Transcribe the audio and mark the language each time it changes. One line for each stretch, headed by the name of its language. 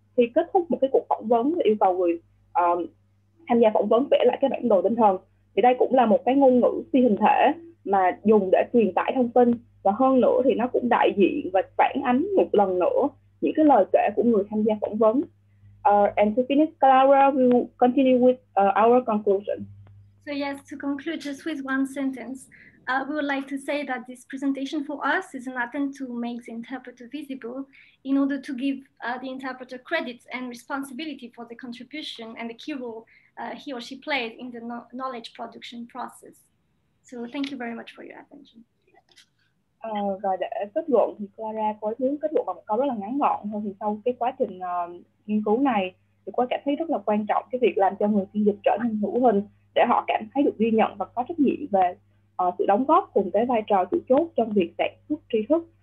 Vietnamese: khi kết thúc một cái cuộc phỏng vấn và yêu cầu người tham gia phỏng vấn vẽ lại cái bản đồ tinh thần, thì đây cũng là một cái ngôn ngữ phi hình thể mà dùng để truyền tải thông tin, và hơn nữa thì nó cũng đại diện và phản ánh một lần nữa những cái lời kể của người tham gia phỏng vấn.
English: And to finish, Clara will continue with our conclusion. So yes, to conclude just with one sentence, we would like to say that this presentation for us is an attempt to make the interpreter visible in order to give the interpreter credit and responsibility for the contribution and the key role he or she played in the knowledge production process. So thank you very much for your attention.
Vietnamese: Và để kết luận thì Clara có hướng kết luận bằng một câu rất là ngắn gọn thôi, thì sau cái quá trình nghiên cứu này thì có cảm thấy rất là quan trọng cái việc làm cho người phiên dịch trở nên hữu hình để họ cảm thấy được ghi nhận và có trách nhiệm về sự đóng góp cùng cái vai trò chủ chốt trong việc sản xuất tri thức.